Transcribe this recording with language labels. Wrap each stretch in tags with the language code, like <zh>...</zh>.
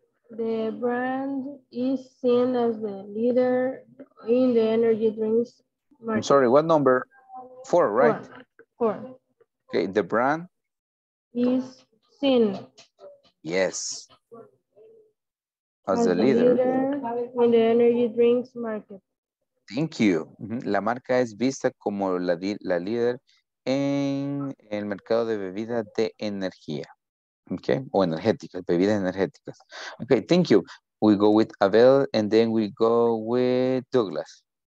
<en>The brand is seen as the leader in the energy drinks market. I'm sorry, what number? Four, right? Four. Okay, the brand? Is seen. Yes. As the leader in the energy drinks market. Thank you.</en> <es>La marca es vista como la líder en el mercado de bebidas de energía. Okay. O energéticas, bebidas energéticas.</es> <en>Okay, thank you. We go with Abel and then we go with Douglas.</en>